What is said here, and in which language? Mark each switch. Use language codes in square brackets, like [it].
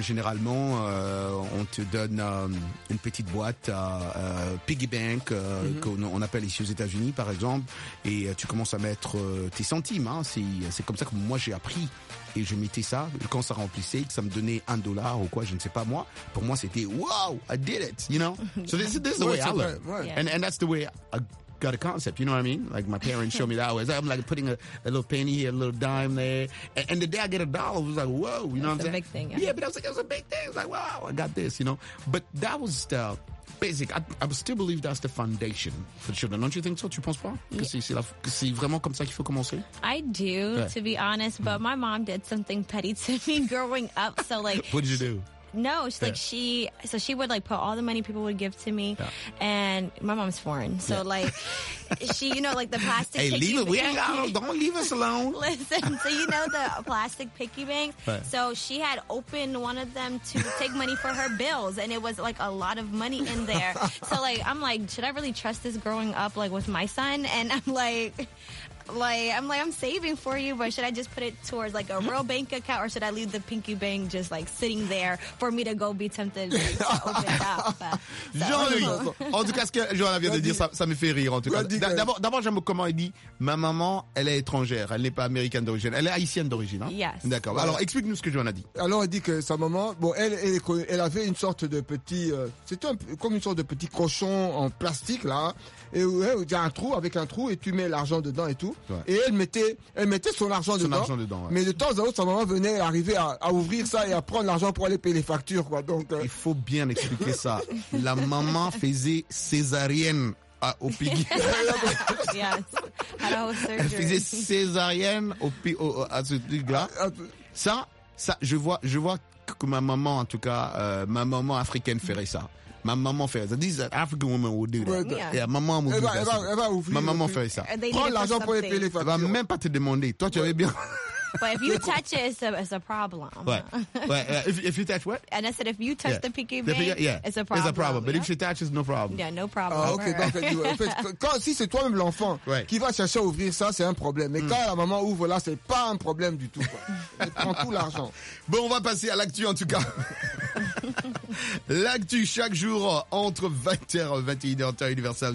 [fr] Généralement, on te donne une petite boîte à piggy bank, qu'on appelle ici aux États-Unis, par exemple, et tu commences à mettre tes centimes. Hein. C'est comme ça que moi, j'ai appris. Et je mettais ça, quand ça remplissait, que ça me donnait un dollar ou quoi, je ne sais pas moi. Pour moi, c'était [en] « Wow, I did it !» You know. So this is the way I learned. And that's the way I got a concept, you know what I mean? Like my parents show me that way. I'm like putting a little penny here, a little dime there. And the day I get a dollar, I was like, whoa, you know what I'm saying? It's a big thing, yeah. Yeah, but I was like, it was a big thing. It's like, wow, I got this, you know? But that was the basic. I still believe that's the foundation for the children. Don't you think so? [fr] Tu penses pas? Yeah. C'est vraiment comme ça qu'il faut commencer? [en] I do, ouais. To be honest, but my mom did something petty to me growing up. So like, what did you do? No, she's like she would like put all the money people would give to me, and my mom's foreign, so like she, you know, like the plastic. Hey, leave it. We ain't got no. Don't leave us alone. Listen, so you know the plastic piggy bank. Yeah. So she had opened one of them to take money for her bills, and it was like a lot of money in there. So like, I'm like, should I really trust this growing up like with my son? And I'm like. Like, I'm saving for you, but should I just put it towards, like, a real bank account, or should I leave the pinky bank just, like, sitting there for me to go be tempted to open it up? [fr] Jean-Louis, en tout cas, ce que Johanna vient de dire, ça me fait rire, en tout cas. D'abord, j'aime comment elle dit, ma maman, elle est étrangère, elle n'est pas américaine d'origine, elle est haïtienne d'origine, hein? [en] Yes. [fr] D'accord. Ouais. Alors, explique-nous ce que Johanna dit. Alors, elle dit que sa maman, bon, elle avait une sorte de petit, comme une sorte de petit cochon en plastique, là, et où il y a un trou, avec un trou, et tu mets l'argent dedans et tout. Ouais. Et elle mettait son argent dedans ouais. Mais de temps en temps, sa maman venait arriver à ouvrir ça et à prendre l'argent pour aller payer les factures, quoi. Donc, il faut bien expliquer ça. La maman faisait césarienne au piggy. [en] Yes. [fr] Elle faisait césarienne à ce truc-là. Ça, je vois que ma maman, en tout cas, ma maman africaine ferait ça. Ma maman fait ça. [en] This is an African woman would do that. Yeah. [fr] Yeah, maman elle ouvrir, va ouvrir. Ma maman fait ça. Prends l'argent pour les payer les factures. Elle va même pas te demander. Toi, tu avais bien. [en] But if you touch it, it's a problem. What? If you touch what? And I said, if you touch the pinky bank, it's a problem. It's a problem. But if she touches, no problem. Yeah, no problem. Ah, okay. [fr] Donc, si c'est toi-même l'enfant qui va chercher à ouvrir ça, c'est un problème. Mais quand la maman ouvre là, c'est pas un problème du tout. Elle prend tout l'argent. Bon, on va passer à l'actu en tout cas. L'actu chaque jour entre 20h et 21h temps universel.